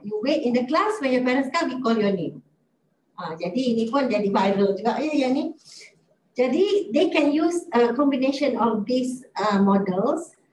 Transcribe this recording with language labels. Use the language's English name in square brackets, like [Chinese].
[English] You wait in the class, when your parents come, we call your name. [Indonesian] Jadi ini pun jadi viral juga ya, ya ni. [English] Jadi they can use a combination of these models.